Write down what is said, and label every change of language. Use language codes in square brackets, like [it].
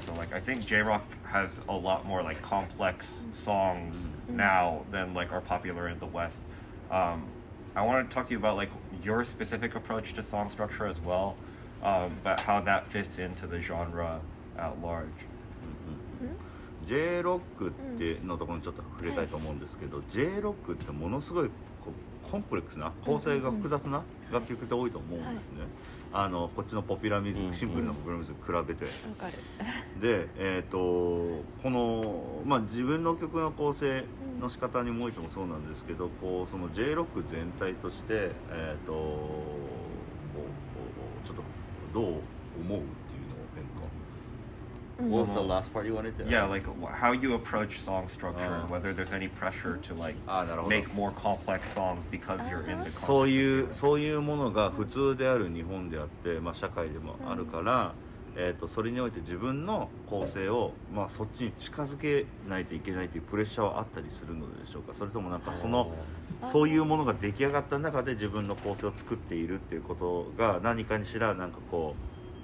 [en] So like, I think J-rock has a lot more like complex songs now than like are popular in the West. I want to talk to you about like your specific approach to song structure as well, but how that fits into the genre at large. [ja] J rock ってのところにちょっと触れたいと思うんですけど、J rock ってものすごいコンプレックスな構成が複雑な楽曲って多いと思うんですね。あのこっちのポピュラーミュージック、シンプルなポピュラーミュージックに比べて。で、このまあ自分の曲の構成の仕方にもおいてもそうなんですけど、こうその J ロック全体としてちょっとどう思うっていうのを変化。 [en] What was the last part you wanted to? Yeah, like how you approach song structure and whether there's any pressure to like make more complex songs because you're in the country. [ja] そういうものが普通である日本であって、まあ社会でもあるから、それにおいて自分の構成をまあそっちに近づけないといけないというプレッシャーはあったりするのでしょうか。それともなんかその、そういうものが出来上がった中で自分の構成を作っているっていうことが何かにしらなんかこう。